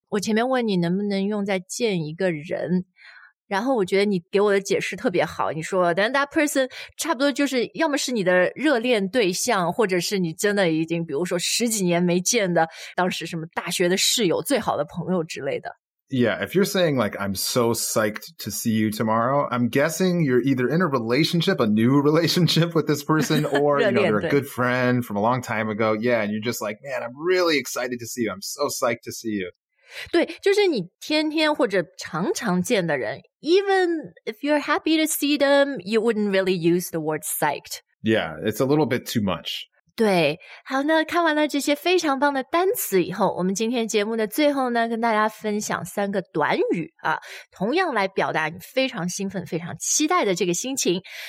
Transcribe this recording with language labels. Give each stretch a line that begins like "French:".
Chinese: 我前面问你能不能用在见一个人，然后我觉得你给我的解释特别好，你说
English: then that person
Chinese: 差不多就是要么是你的热恋对象，或者是你真的已经比如说十几年没见的当时什么大学的室友最好的朋友之类的。
English: Yeah, if you're saying, like, I'm so psyched to see you tomorrow, I'm guessing you're either in a relationship, a new relationship with this person, or, you know, they're a good friend from a long time ago. Yeah, and you're just like, man, I'm really excited to see you. I'm so psyched to see you.
Chinese: 对，就是你天天或者常常见的人，
English: even if you're happy to see them, you wouldn't really use the word psyched. Yeah, it's a little bit too much.
Chinese: 对，好，那看完了这些非常棒的单词以后，我们今天节目的最后呢，跟大家分享三个短语啊，同样来表达你非常兴奋非常期待的这个心情。